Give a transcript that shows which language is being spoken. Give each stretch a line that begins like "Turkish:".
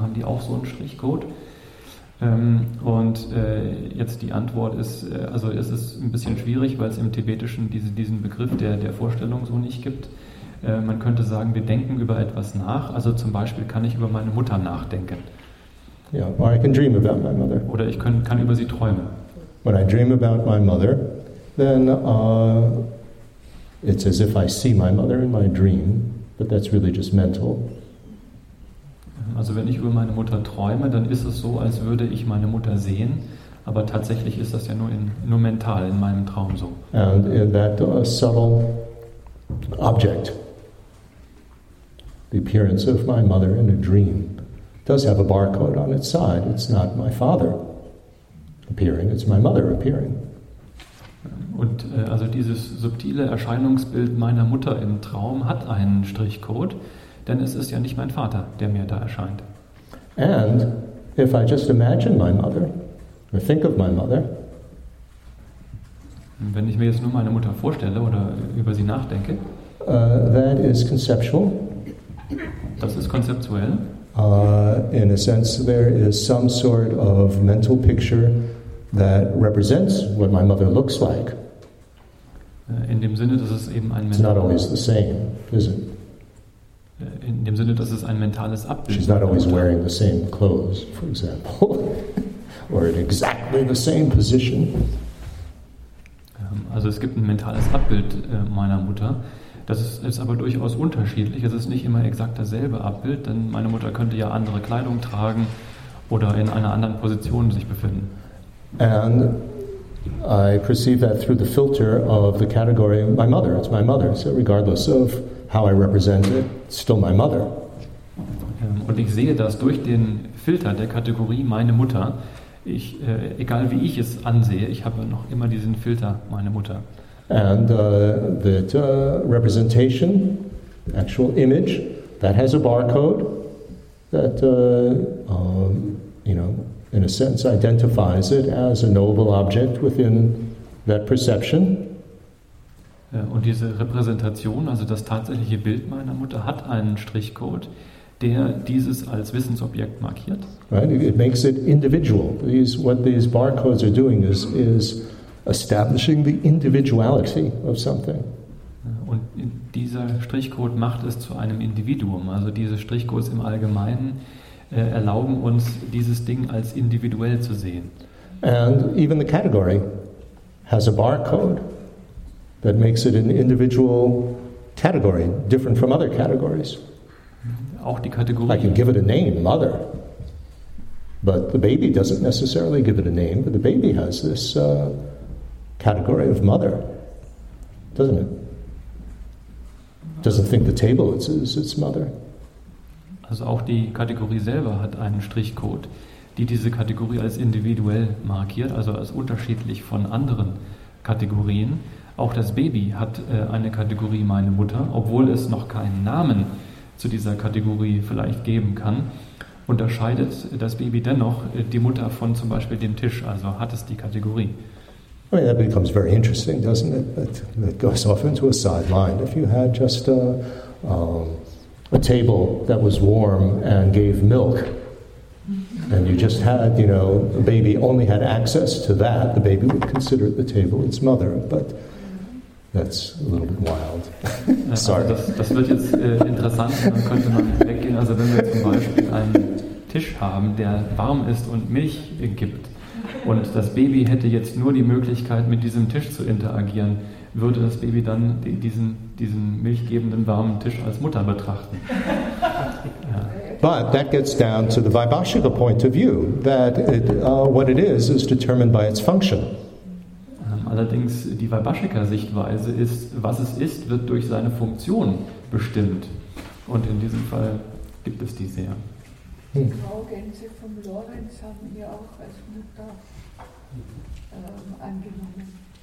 German: Haben die auch so einen Strichcode? Und jetzt die Antwort ist, also es ist ein bisschen schwierig, weil es im Tibetischen diesen Begriff der Vorstellung so nicht gibt. Man könnte sagen, wir denken über etwas nach. Also zum Beispiel kann ich über meine Mutter nachdenken.
English: Yeah, or I can dream about my mother.
German: Oder ich kann über sie träumen.
English: When I dream about my mother, then it's as if I see my mother in my dream, but that's really just mental.
German: Also wenn ich über meine Mutter träume, dann ist es so, als würde ich meine Mutter sehen, aber tatsächlich ist das ja nur mental in meinem Traum so.
English: And in that subtle object, the appearance of my mother in a dream, does have a barcode on its side. It's not my father appearing, it's my mother appearing.
German: Und also dieses subtile Erscheinungsbild meiner Mutter im Traum hat einen Strichcode. Denn es ist ja nicht mein Vater, der mir da erscheint.
English: And if I just imagine my mother, or think of my mother,
German: wenn ich mir jetzt nur meine Mutter vorstelle oder über sie nachdenke,
English: that is conceptual.
German: Das ist konzeptuell.
English: In a sense, there is some sort of mental picture that represents what my mother looks like.
German: In dem Sinne, dass es eben ein
English: It's not always the same, is it?
German: In dem Sinne, dass es ein mentales Abbild.
English: She's not always wearing the same clothes, for example, or in exactly the same position.
German: Also es gibt ein mentales Abbild meiner Mutter. Das ist aber durchaus unterschiedlich. Es ist nicht immer exakt dasselbe Abbild, denn meine Mutter könnte ja andere Kleidung tragen oder in einer anderen Position sich befinden.
English: And I perceive that through the filter of the category my mother. It's my mother. So regardless of how I represent it, still my mother.
German: Und ich sehe das durch den Filter der Kategorie meine Mutter. Ich, egal wie ich es ansehe, ich habe noch immer diesen Filter meine Mutter.
English: And that representation, actual image, that has a barcode that, you know, in a sense identifies it as a knowable object within that perception.
German: Und diese Repräsentation, also das tatsächliche Bild meiner Mutter, hat einen Strichcode, der dieses als Wissensobjekt markiert.
English: Right, it makes it individual. What these barcodes are doing is establishing the individuality of something.
German: Und dieser Strichcode macht es zu einem Individuum. Also diese Strichcodes im Allgemeinen erlauben uns, dieses Ding als individuell zu sehen.
English: And even the category has a barcode that makes it an individual category, different from other categories.
German: Auch die Kategorie.
English: I can give it a name, mother. But the baby doesn't necessarily give it a name, but the baby has this category of mother, doesn't it? Doesn't think the table is its mother.
German: Also auch die Kategorie selber hat einen Strichcode, die diese Kategorie als individuell markiert, also als unterschiedlich von anderen Kategorien. Auch das Baby hat eine Kategorie meine Mutter, obwohl es noch keinen Namen zu dieser Kategorie vielleicht geben kann, unterscheidet das Baby dennoch die Mutter von zum Beispiel dem Tisch, also hat es die Kategorie.
English: I mean, that becomes very interesting, doesn't it? That goes off into a sideline. If you had just a table that was warm and gave milk, and you just had, you know, the baby only had access to that, the baby would consider the table its mother, but that's a little bit wild. Sorry.
German: Das wird jetzt interessant. Dann könnte man weggehen. Also wenn wir zum Beispiel einen Tisch haben, der warm ist und Milch gibt, und das Baby hätte jetzt nur die Möglichkeit, mit diesem Tisch zu interagieren, würde das Baby dann diesen milchgebenden warmen Tisch als Mutter betrachten?
English: But that gets down to the Vaibhashika point of view, that it, what it is determined by its function.
German: Allerdings die Vaibhashika Sichtweise ist, was es ist, wird durch seine Funktion bestimmt. Und in diesem Fall gibt es die sehr. Die Graugänse vom Lorenz haben hier auch als Mutter angenommen.